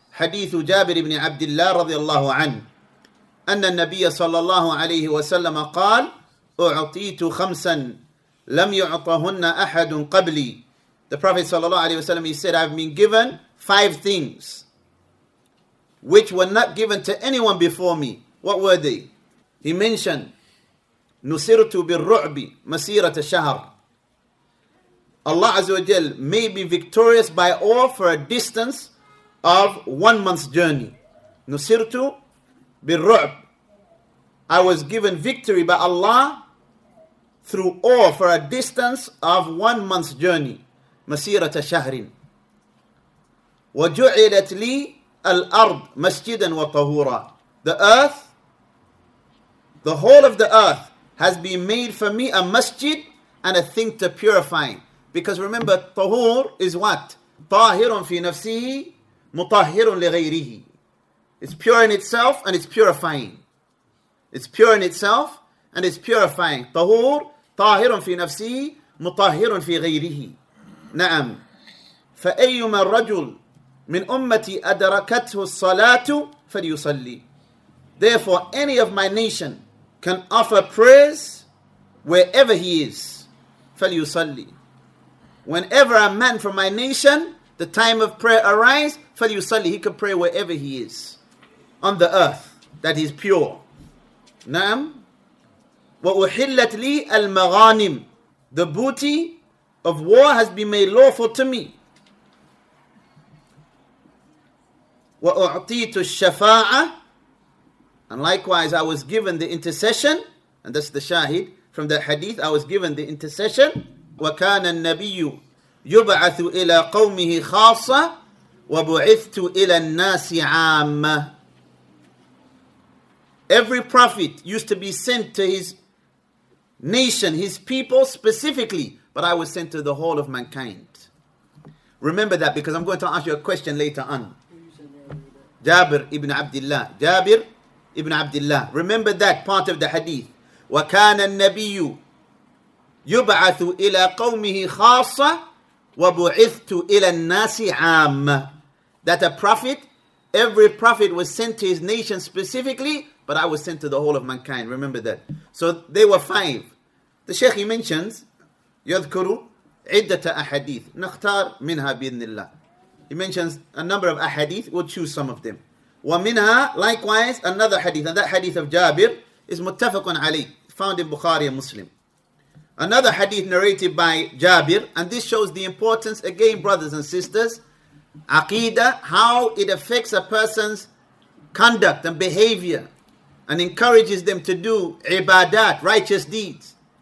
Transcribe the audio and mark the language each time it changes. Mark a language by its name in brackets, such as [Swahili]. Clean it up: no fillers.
[Arabic] حديث جابر بن عبد الله رضي الله عنه أن النبي صلى الله عليه وسلم قال أعطيت خمسا لم يعطهن أحد قبلي. [English] The Prophet [Arabic] صلى الله عليه وسلم, [English] he said, I've been given five things which were not given to anyone before me. What were they? He mentioned [Arabic] نصرت بالرعب مسيرة الشهر. [English] Allah [Arabic] عز وجل [English] may be victorious by awe for a distance of 1 month's journey. [Arabic] نصرت بالرعب. [English] I was given victory by Allah through awe for a distance of 1 month's journey. [Arabic] مسيرة شهر. وجعلت لي الأرض مسجدا وطهورا. [English] The earth, the whole of the earth has been made for me a masjid and a thing to purify. Because remember, طهور is what? [Arabic] طاهر في نفسه مطهر لغيره. [English] It's pure in itself and it's purifying. It's pure in itself and it's purifying. [Arabic] طهور طاهر في نفسه مطهر في غيره. نعم. فأيما الرجل من أمتي أدركته الصلاة فليصلي. [English] Therefore, any of my nation can offer prayers wherever he is. [Arabic] فليصلي. [English] Whenever a man from my nation, the time of prayer arise, [Arabic] فليصلي. [English] He can pray wherever he is on the earth that is pure. [Arabic] نعم. وأحلت لي المغانم. [English] The booty of war has been made lawful to me. [Arabic] وأعطيت الشفاعة. [English] And likewise, I was given the intercession. And that's the shahid from the hadith. I was given the intercession. [Arabic] وكان النبي يبعث إلى قومه خاصة وبعثت إلى الناس عامة. [English] Every prophet used to be sent to his nation, his people specifically, but I was sent to the whole of mankind. Remember that, because I'm going to ask you a question later on. Jabir ibn Abdullah. Jabir ibn Abdullah. Remember that part of the hadith. [Arabic] وَكَانَ النَّبِيُّ يُبْعَثُ إِلَىٰ قَوْمِهِ خَاصَّ وَبُعِثْتُ إِلَىٰ النَّاسِ عَامَّ. [English] That a prophet, every prophet was sent to his nation specifically, but I was sent to the whole of mankind. Remember that. So they were five. The Shaykh, he mentions, [Arabic] يَذْكُرُ عِدَّةَ أَحَدِيثِ نَخْتَار مِنْهَا بِإِذْنِ اللَّهِ. [English] He mentions a number of ahadith. We'll choose some of them. [Arabic] وَمِنْهَا, [English] likewise, another hadith. And that hadith of Jabir is muttafaqun عليه, found in Bukhari and Muslim. Another hadith narrated by Jabir, and this shows the importance, again, brothers and sisters, aqeedah, how it affects a person's conduct and behavior and encourages them to do ibadat, righteous deeds.